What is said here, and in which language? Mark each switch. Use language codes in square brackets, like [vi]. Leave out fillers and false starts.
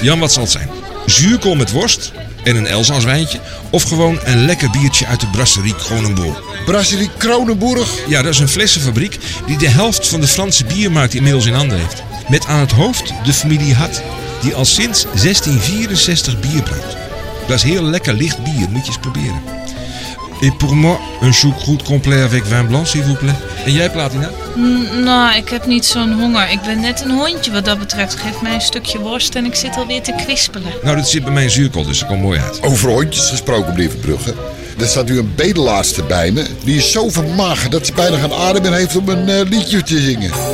[nl] Jan, wat zal het zijn? Zuurkool met worst? En een Elzas wijntje? Of gewoon een lekker biertje uit de Brasserie Kronenburg? Brasserie Kronenburg? Ja, dat is een flessenfabriek die de helft van de Franse biermarkt inmiddels in handen heeft. Met aan het hoofd de familie Hat, die al sinds 1664 bier brouwt. Dat is heel lekker licht bier, moet je eens proberen. [fr] Et pour moi, un choucroute complet avec vin blanc, s'il vous plaît. [nl] En jij, Platina? Nou, ik heb niet zo'n honger. Ik ben net een hondje wat dat betreft. Geef mij een stukje worst en ik zit alweer te kwispelen. Nou, dat zit bij mijn zuurkool, dus dat komt mooi uit. Over hondjes gesproken, lieve Brugge. Er staat nu een bedelaarster bij me. Die is zo vermagerd dat ze bijna geen adem meer heeft om een liedje te zingen.